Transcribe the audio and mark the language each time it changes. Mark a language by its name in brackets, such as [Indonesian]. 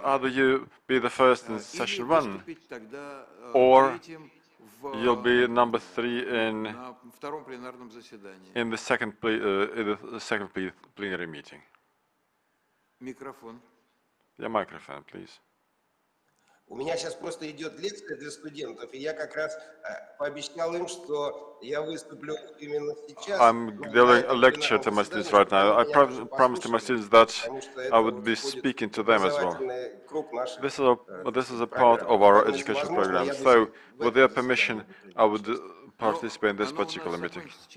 [English] Either you be the first in session one, or you'll be number three in the second plenary meeting. Your microphone, please. [Russian] У меня сейчас просто идет лекция для студентов, и я как раз пообещал им, что я выступлю именно сейчас. [English] I'm giving a lecture to my students right now. I promised to my students that I would be speaking to them as well. This is a part of our education program. So, with their permission, I would participate in this particular meeting.